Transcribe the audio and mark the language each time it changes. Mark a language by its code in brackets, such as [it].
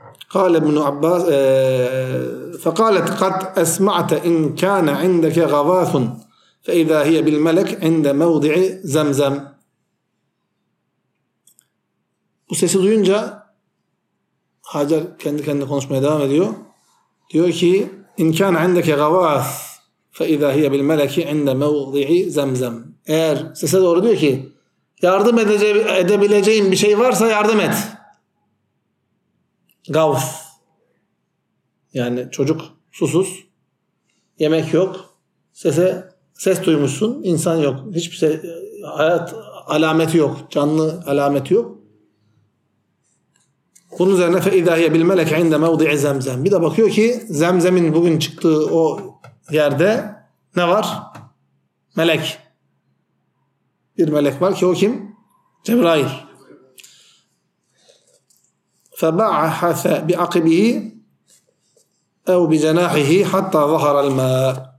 [ar] قَالَ ابْنُ عَبَّاسِ فَقَالَتْ قَدْ أَسْمَعْتَ اِنْ كَانَ عِنْدَكَ غَوَاثٌ فَاِذَا هِيَ بِالْمَلَكِ عِنْدَ مَوْضِعِ زَمْزَمْ. [tr] Bu sesi duyunca Hacer kendi kendine konuşmaya devam ediyor. Diyor ki [ar] اِنْ كَانَ عِنْدَكَ غَوَاثٌ فَاِذَا هِيَ بِالْمَلَكِ عِنْدَ مَوْضِعِ زَمْزَمْ. [tr] Eğer sese doğru diyor ki yardım edebileceğin bir şey varsa yardım et. Gavf. Yani çocuk susuz. Yemek yok. Sese ses duymuşsun. İnsan yok. Hiçbir şey, hayat alameti yok. Canlı alameti yok. Bunun üzerine [ar] فَاِذَا هِيَ بِالْمَلَكِ عِنْدَ مَوْضِعِ زَمْزَمْ. [tr] Bir de bakıyor ki zemzemin bugün çıktığı o yerde ne var? Melek. Bir melek var ki o kim? Cebrail. [ar] فَبَعَحَثَ بِعَقِبِهِ اَوْ بِجَنَاحِهِ حَتَّى ظَهَرَ الْمَا.